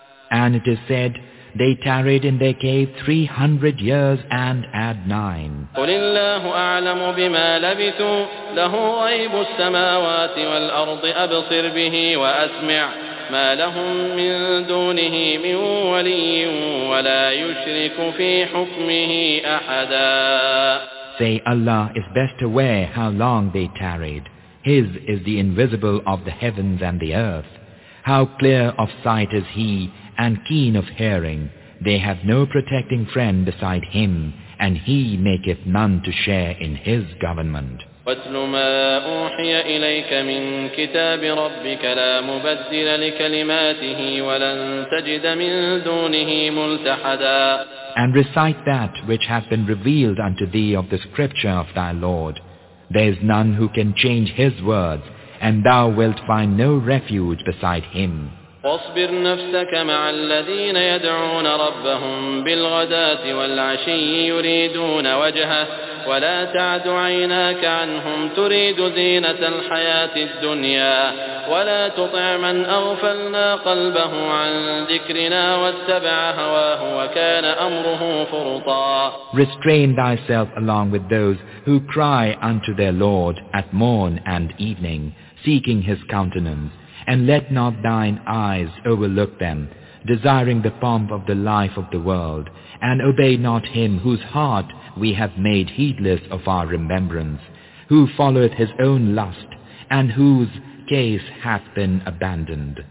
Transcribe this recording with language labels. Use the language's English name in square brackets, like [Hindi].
[English] And it is said, they tarried in their cave 300 years and add 9. [Arabic] قُلِ اللَّهُ أَعْلَمُ بِمَا لَبِثُوا لَهُ غَيْبُ السَّمَاوَاتِ وَالْأَرْضِ أَبْصِرْ بِهِ وَأَسْمِعْ ما لهم من دونه من ولي ولا يشرك في حكمه أحدا. [English] Say, Allah is best aware how long they tarried. His is the invisible of the heavens and the earth. How clear of sight is he and keen of hearing. They have no protecting friend beside him, and he maketh none to share in his government. [Arabic] واتل ما أوحي إليك من كتاب ربك لا مبدل لكلماته ولن تجد من دونه ملتحدا. [English] And recite that which hath been revealed unto thee of the scripture of thy Lord. There is none who can change his words, and thou wilt find no refuge beside him. [Arabic] واصبر نفسك مع الذين يدعون ربهم بالغداة والعشي يريدون وجهه ولا تعد عيناك عنهم تريد زينة الحياة الدنيا ولا تطع من أغفلنا قلبه عن ذكرنا واتبع هواه وكان أمره فرطا. [English] Restrain thyself along with those who cry unto their Lord at morn and evening, seeking his countenance, and let not thine eyes overlook them, desiring the pomp of the life of the world, and obey not him whose heart we have made heedless of our remembrance, who followeth his own lust, and whose case hath been abandoned.